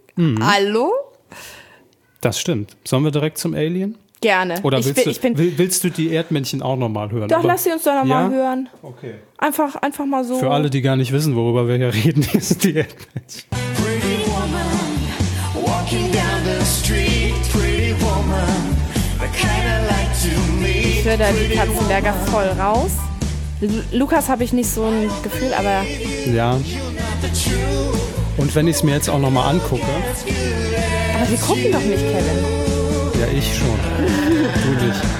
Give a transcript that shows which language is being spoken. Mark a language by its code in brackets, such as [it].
[de] Mhm. Hallo? Das stimmt. Sollen wir direkt zum Alien? Gerne. Oder willst du die Erdmännchen auch nochmal hören? Doch, lass sie uns doch nochmal hören. Okay. Einfach mal so. Für alle, die gar nicht wissen, worüber wir hier reden, ist die Erdmännchen. [en] Pretty woman, walking down the street. Pretty woman, the kind I like to meet. [de] Ich höre da die Katzenberger voll raus. Lukas habe ich nicht so ein Gefühl, aber... Ja. Und wenn ich es mir jetzt auch nochmal angucke... Aber wir gucken doch nicht, Kevin. Ja, ich schon. Du dich.